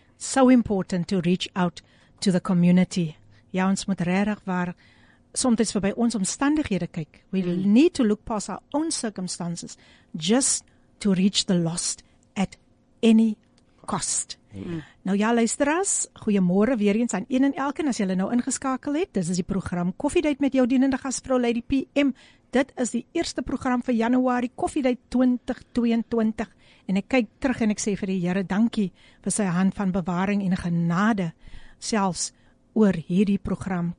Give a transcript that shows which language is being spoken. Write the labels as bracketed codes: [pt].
[en] So important to reach out to the community. [af] Ja, ons moet regtig waar soms verby ons omstandighede kyk. [en] We need to look past our own circumstances just to reach the lost at any cost. [af] Nou ja, luisteraars, goeiemôre weer eens aan een en elkeen as julle nou ingeskakel het. Dis is die program Koffiedייט met jou dienende gasvrou Lady PM. Dit is die eerste program vir Januarie Koffiedייט 2022. En ek kyk terug en ek sê vir die Here dankie vir sy hand van bewaring en genade selfs oor hierdie program.